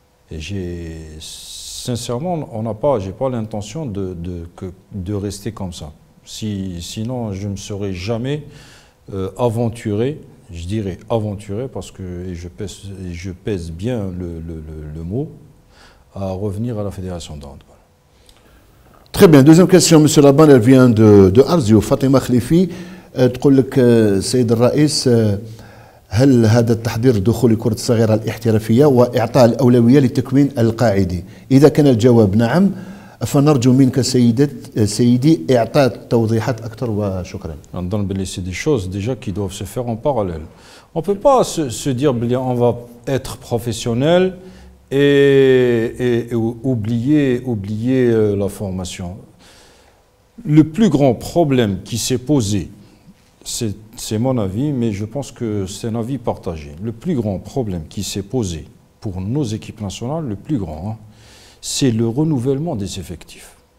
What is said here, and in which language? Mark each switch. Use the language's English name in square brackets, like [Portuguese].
[French] Et sincèrement, on n'a pas, j'ai pas l'intention de rester comme ça. Sinon, je ne serais jamais aventuré, je dirais aventuré, parce que je pèse bien le mot, à revenir à la Fédération d'handball. Très bien. Deuxième question, M. Laban, elle vient de Arzio, Fatima Khlifi. [Arabic] تقول لك سيد الرئيس هل هذا التحضير دخول الكرة الصغيرة الاحترافية وإعطاء الأولوية للتكوين القاعدي؟ إذا كان الجواب نعم فنرجو منك سيدي إعطاء توضيحات أكثر وشكرا. نظن بلي [French] سي دي شوز ديجا كي دوف سو فير اون باراليل. On peut pas se dire [Arabic] بلي [French] on va être professionnel et oublier la formation. Le plus grand problème qui s'est posé, c'est c'est mon avis, mais je pense que c'est un avis partagé. Le plus grand problème qui s'est posé pour nos équipes nationales, le plus grand, hein, c'est le renouvellement des effectifs.